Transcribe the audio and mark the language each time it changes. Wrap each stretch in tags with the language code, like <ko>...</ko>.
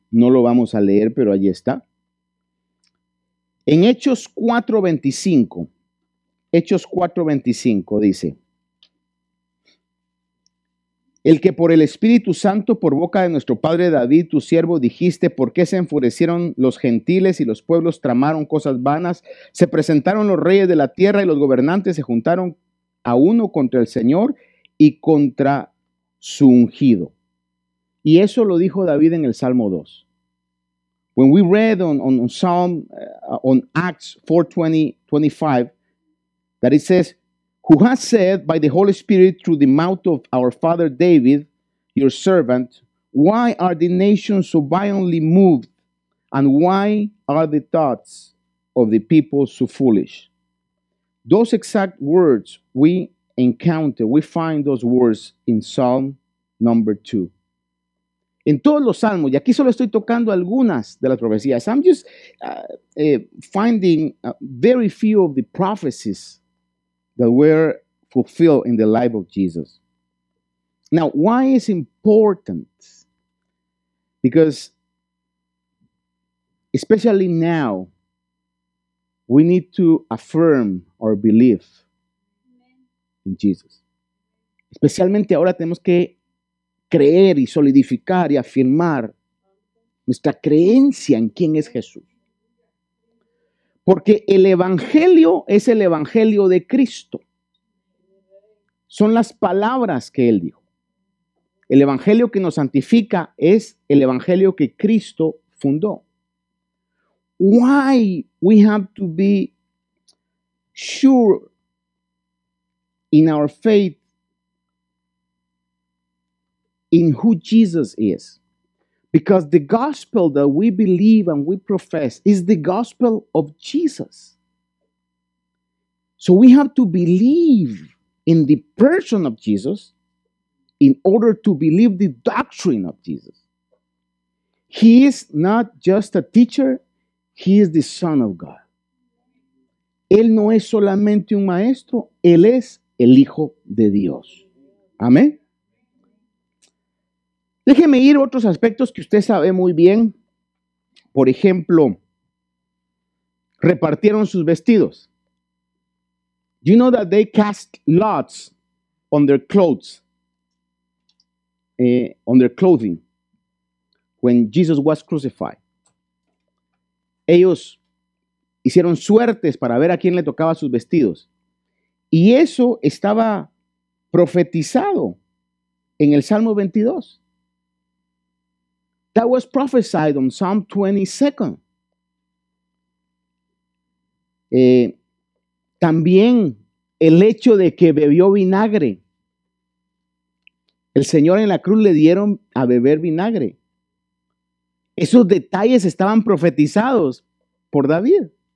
<es>No lo vamos a leer, pero allí está. En Hechos 4:25, Hechos 4:25 dice, el que por el Espíritu Santo, por boca de nuestro Padre David, tu siervo, dijiste, ¿por qué se enfurecieron los gentiles y los pueblos tramaron cosas vanas? Se presentaron los reyes de la tierra y los gobernantes se juntaron a uno contra el Señor y contra su ungido. Y eso lo dijo David en el Salmo 2.</es> <en>When we read on Psalm, on Acts 4:20-25, that it says, who has said by the Holy Spirit through the mouth of our father David, your servant, why are the nations so violently moved? And why are the thoughts of the people so foolish? Those exact words we encounter, we find those words in Psalm number 2.</en> <es>En todos los salmos, y aquí solo estoy tocando algunas de las profecías.</es> <en>I'm just finding very few of the prophecies that were fulfilled in the life of Jesus. Now, why is important? Because, especially now, we need to affirm our belief in Jesus.</en> <es>Especialmente ahora tenemos que creer y solidificar y afirmar nuestra creencia en quién es Jesús. Porque el Evangelio es el Evangelio de Cristo. Son las palabras que Él dijo. El Evangelio que nos santifica es el Evangelio que Cristo fundó.</es> <en>Why we have to be sure in our faith in who Jesus is, because the gospel that we believe and we profess is the gospel of Jesus. So we have to believe in the person of Jesus in order to believe the doctrine of Jesus. He is not just a teacher, he is the Son of God.</en> <es>Él no es solamente un maestro, él es el Hijo de Dios. Amén. Déjeme ir a otros aspectos que usted sabe muy bien. Por ejemplo, repartieron sus vestidos.</es> <en>You know that they cast lots on their clothes, on their clothing. when Jesus was crucified.</en> <es>Ellos hicieron suertes para ver a quién le tocaba sus vestidos. Y eso estaba profetizado en el Salmo 22.</es> <en>That was prophesied on Psalm 22.</en> <es>También el hecho de que bebió vinagre. El Señor en la cruz le dieron a beber vinagre. Esos detalles estaban profetizados por David.</es>